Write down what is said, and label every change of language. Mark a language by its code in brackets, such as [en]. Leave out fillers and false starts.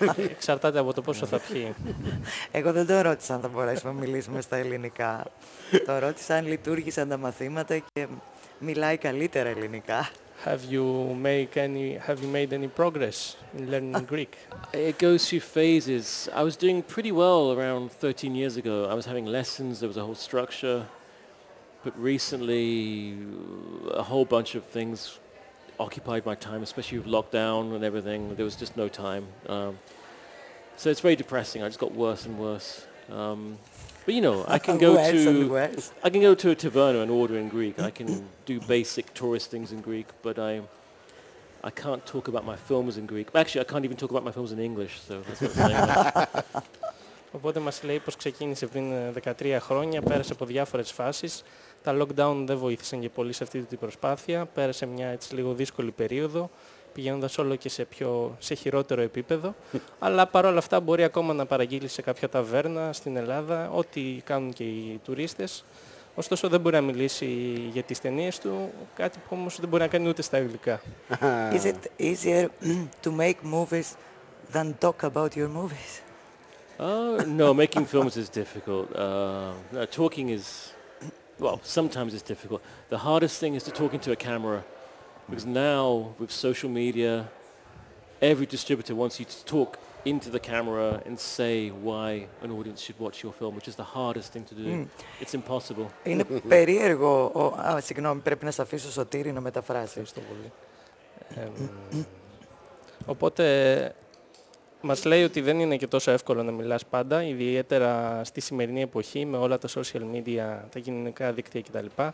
[el] Εξαρτάται από το πόσο θα πιει. Εγώ δεν το ρώτησα αν θα μπορέσουμε να μιλήσουμε στα ελληνικά. Το ρώτησα αν λειτουργήσαν τα μαθήματα και μιλάει καλύτερα ελληνικά. [en] Have you made any progress in learning Greek? It goes through phases. I was doing pretty well around 13 years ago. I was having lessons, there was a whole structure. But recently, a whole bunch of things occupied my time, especially with lockdown and everything. There was just no time. So it's very depressing. I just got worse and worse. But you know, I can go to a taverna and order in Greek. I can do basic tourist things in Greek, but I can't talk about my films in Greek. Actually, I can't even talk about my films in English, so that's not saying much. [el] Οπότε μας λέει πως ξεκίνησε πριν 13 χρόνια, πέρασε από διάφορες φάσεις. Τα lockdown δεν βοήθησαν και πολύ σε αυτή την προσπάθεια. Πέρασε μια έτσι λίγο δύσκολη περίοδο, πηγαίνοντας όλο και σε χειρότερο επίπεδο. Αλλά παρόλα αυτά μπορεί ακόμα να παραγγείλει σε κάποια ταβέρνα στην Ελλάδα, ό,τι κάνουν και οι τουρίστες. Ωστόσο δεν μπορεί να μιλήσει για τις ταινίες του, κάτι που όμως δεν μπορεί να κάνει ούτε στα αγγλικά. [en] Is it easier to make movies than talk about your movies? No, making films is difficult. Talking is, well, sometimes it's difficult. The hardest thing is to talk into a camera, because now with social media, every distributor wants you to talk into the camera and say why an audience should watch your film, which is the hardest thing to do. It's impossible. [el] Είναι περίεργο. Συγγνώμη, πρέπει να σε αφήσω Σωτήρη να μεταφράσει. Ευχαριστώ πολύ. Οπότε μας λέει ότι δεν είναι και τόσο εύκολο να μιλάς πάντα, ιδιαίτερα στη σημερινή εποχή με όλα τα social media, τα κοινωνικά δίκτυα κτλ.